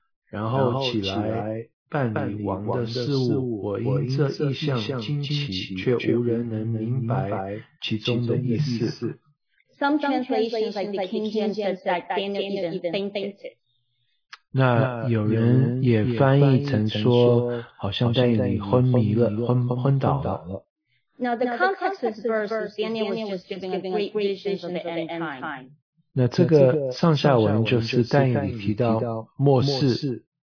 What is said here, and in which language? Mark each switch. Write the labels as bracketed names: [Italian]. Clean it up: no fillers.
[Chinese] 然后起来办理王的事务，我因这异象惊奇，却无人能明白其中的意思。 [English] Some translations like the King James says that Daniel even fainted. [Chinese] 那有人也翻译成说，好像但以理昏迷了，昏倒了。 [English] Now the context of this verse is Daniel was just giving a great vision of the end time. [Chinese] 那这个上下文就是但以理提到末世。